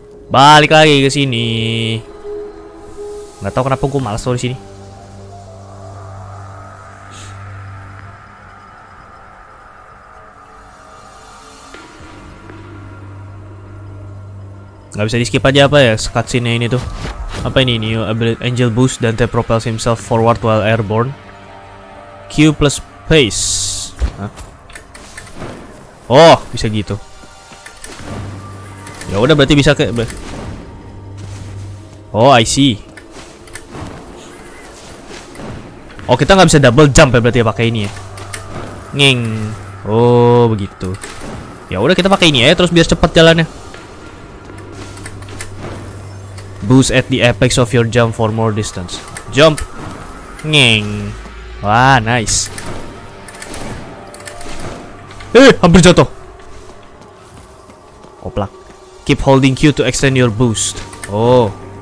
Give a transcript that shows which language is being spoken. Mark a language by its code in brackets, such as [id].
[id] Balik lagi ke sini. Enggak tahu kenapa gua malas di sini. Gak bisa di skip aja apa ya cutscene-nya ini tuh. Apa ini? [en] New ability Angel Boost. Dante propels himself forward while airborne. Q plus space. [id] Hah? Oh, bisa gitu. Ya udah berarti bisa ke. [en] Oh, I see. [id] Oh, kita gak bisa double jump ya berarti ya pakai ini ya. Nging. Oh, begitu. Ya udah kita pakai ini ya terus biar cepat jalannya. [en] Boost at the apex of your jump for more distance. Jump. [id] Nging. Wah, nice. Eh, hampir jatuh. Oplak. [en] Keep holding Q to extend your boost. Oh.